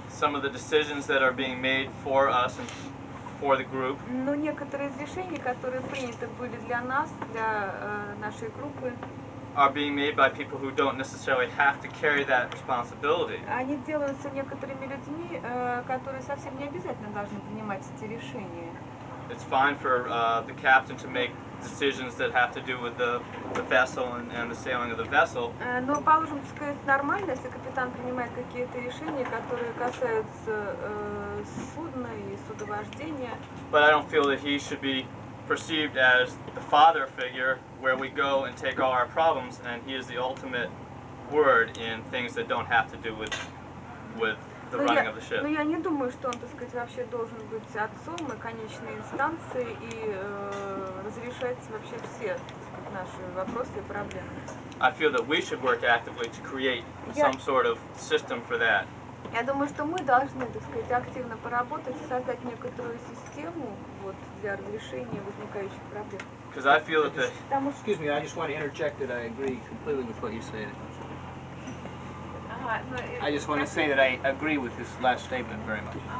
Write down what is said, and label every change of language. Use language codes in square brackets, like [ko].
[en] some of the decisions that are being made for us and for the group. [ru] Некоторые решения, которые приняты были для нас, для нашей группы, [en] are being made by people who don't necessarily have to carry that responsibility. [ru] Они делаются некоторыми людьми, которые совсем не обязательно должны принимать эти решения. [en] It's fine for the captain to make decisions that have to do with the vessel and the sailing of the vessel. [ru] Но положим, сказать, нормально, если капитан принимает какие-то решения, которые касаются судна и судовождения. [en] But I don't feel that he should be perceived as the father figure where we go and take all our problems, and he is the ultimate word in things that don't have to do with the running of the ship. [ru] Но я не думаю, что он, так сказать, вообще должен быть отцом и конечной инстанцией и разрешать вообще все наши вопросы и проблемы. [en] I feel that we should work actively to create some sort of system for that. [ru] Я думаю, что мы должны, так сказать, активно поработать и создать некоторую систему вот для разрешения возникающих проблем. [en] Because I feel that excuse me, I just want to interject that I agree completely with what you said. I just want to say that I agree with this last statement very much.